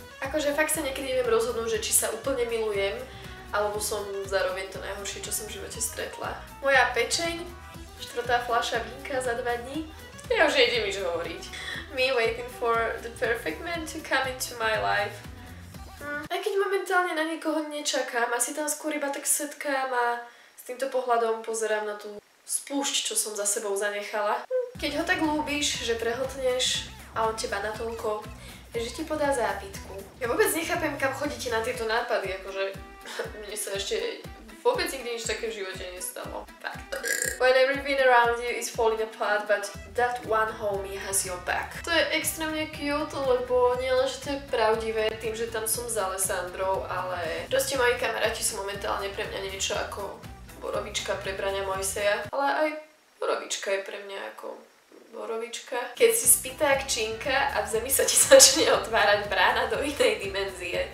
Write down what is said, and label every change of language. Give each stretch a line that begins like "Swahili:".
Slovak: Akože fakt sa niekedy neviem rozhodnúť, že či sa úplne milujem, alebo som zároveň to najhoršie, čo som v živote stretla. Moja pečeň, 4. fľaša vínka za 2 dní. Ja už nejdem nič hovoriť.
English: Me waiting for the perfect man to come into my life.
Slovak: Aj keď momentálne na niekoho nečakám, asi tam skôr iba tak setkám a s týmto pohľadom pozerám na tú spúšť, čo som za sebou zanechala. Keď ho tak ľúbíš, že prehltneš a on teba natoľko, že ti podá zápitku. Ja vôbec nechápem, kam chodíte na tieto nápady, akože mne sa ešte vôbec nikdy nič také v živote nestalo. Tak.
English: When everything around you is falling apart, but that one homie has your back.
Slovak: To je extrémne cute, lebo nie len, že to je pravdivé tým, že tam som s Alessandrou, ale proste moji kamaráti sú momentálne pre mňa niečo ako borovička pre Braňa Mojseja, ale aj borovička je pre mňa ako borovička. Keď si spíta jak činka a v zemi sa ti začne otvárať brána do inej dimenzie.